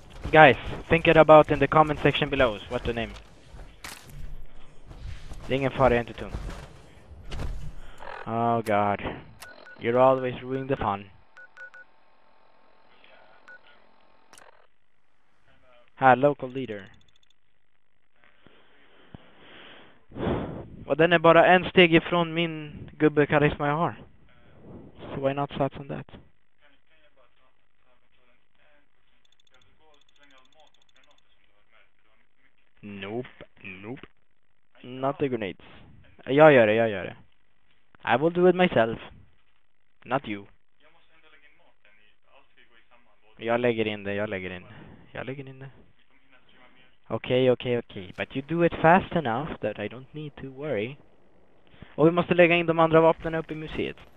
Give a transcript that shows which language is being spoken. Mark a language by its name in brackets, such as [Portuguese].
[English] Guys, think it about in the comment section below. What the name? [Swedish] Det är ingen fara, jag är inte tung. [English] Oh, God. You're always ruining the fun. Här, local leader. [Swedish] Och den är bara en steg ifrån min gubbe karisma jag har. [English] So why not start on that? Nope. Not the grenades. [Swedish] Jag gör det. [English] I will do it myself. Not you. [Swedish] Jag lägger in det. Okej. [English] But you do it fast enough that I don't need to worry. [Swedish] Och vi måste lägga in de andra vapnen upp i museet.